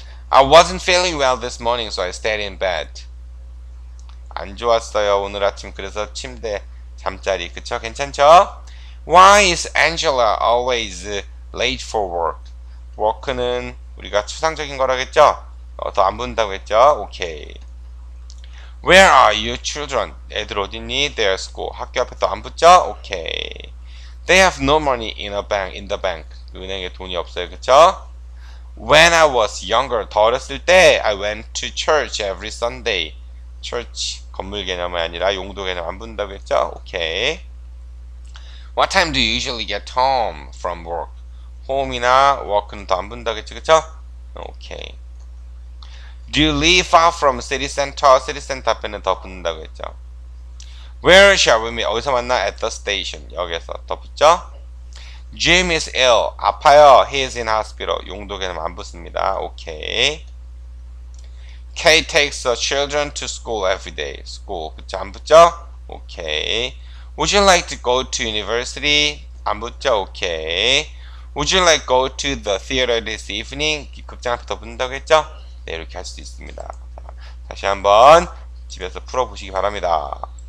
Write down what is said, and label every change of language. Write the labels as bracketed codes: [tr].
[en] I wasn't feeling well this morning, so I stayed in bed. [ko] 안 좋았어요, 오늘 아침. 그래서 침대, 잠자리. 그쵸? 괜찮죠? [en] Why is Angela always late for work? [ko] Work는 우리가 추상적인 거라 했죠? 더안 붙는다고 했죠? 오케이. [en] Where are your children? [ko] 애들 어딨니? [en] They're school. [ko] 학교 앞에 또안 붙죠? 오케이. [en] They have no money in the bank. [ko] 은행에 돈이 없어요. 그쵸? [en] When I was younger, [ko] 더 어렸을 때, [en] I went to church every Sunday. [ko] Church, 건물 개념이 아니라 용도 개념 안 붙는다고 했죠? 오케이. [en] What time do you usually get home from work? [ko] Home이나 work는 더안 붙는다고 했죠? 그쵸? 오케이. [en] Do you live far from city center? [ko] City center 앞에는 더 붙는다고 했죠? [en] Where shall we meet? [ko] 어디서 만나? [en] At the station. [ko] 여기에서 더 붙죠? [en] Jim is ill. [ko] 아파요. [en] He is in hospital. [ko] 용도계는 안 붙습니다. 오케이. [en] Kate takes the children to school every day. [ko] School. 그쵸? 안 붙죠? 오케이. [en] Would you like to go to university? [ko] 안 붙죠? 오케이. [en] Would you like go to the theater this evening? [ko] 극장 앞에 더 붙는다고 했죠? 네, 이렇게 할 수도 있습니다. 자, 다시 한번 집에서 풀어보시기 바랍니다.